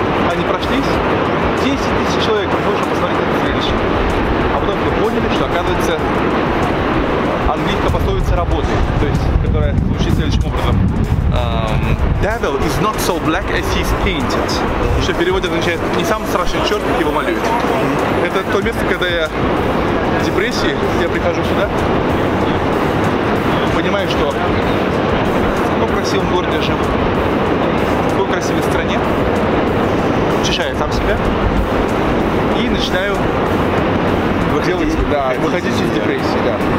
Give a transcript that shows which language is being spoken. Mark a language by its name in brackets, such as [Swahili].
[Russian] Они прошлись, 10 тысяч человек пришли посмотреть это зрелище. А потом мы поняли, что оказывается английская пословица работает, то есть, которая звучит следующим образом. [English] Devil is not so black as he's painted. [Russian] Что в переводе означает не самый страшный черт, как его малюют. Это то место, когда я в депрессии, я прихожу сюда, понимаю, что в каком красивом городе живу, в какой красивой стране, учащаю сам себя и начинаю выходить из депрессии. Да.